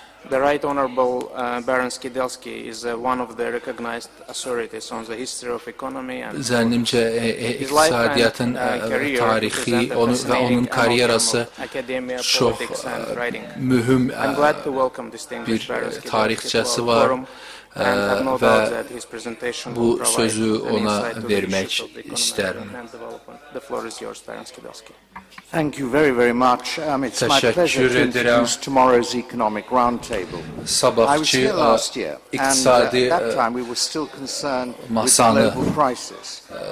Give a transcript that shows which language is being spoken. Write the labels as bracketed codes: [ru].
[en] The Right Honorable Baron Skidelsky is one of the recognized authorities on the history of economy and [az] zənnimcə iqtisadiyyatın tarixi və onun karyerası çox mühüm bir tarixçəsi var və bu sözü ona vermək istərim. [en] The floor is yours, Baron Skidelsky. Thank you very, very much. It's my pleasure to introduce tomorrow's economic roundtable. [az] Sabahçı, [en] I was here last year, and at that time we were still concerned with the global crisis.